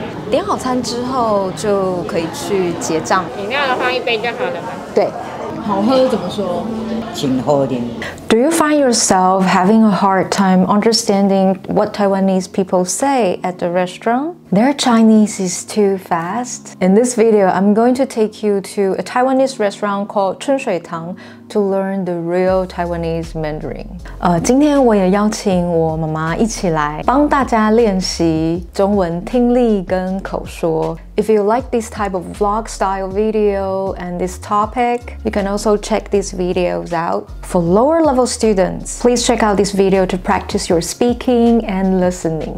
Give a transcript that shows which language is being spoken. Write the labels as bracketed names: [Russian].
[Chinese] 点好餐之后就可以去结账。饮料的话，一杯就好了吗？对。好喝怎么说？请喝一点。 [English] Do you find yourself having a hard time understanding what Taiwanese people say at the restaurant? Their Chinese is too fast. In this video, I'm going to take you to a Taiwanese restaurant called 春水堂 to learn the real Taiwanese Mandarin. [Chinese] 今天我也邀请我妈妈一起来帮大家练习中文听力跟口说。 [English] If you like this type of vlog style video and this topic, you can also check these videos out. For lower level students, please check out this video to practice your speaking and listening.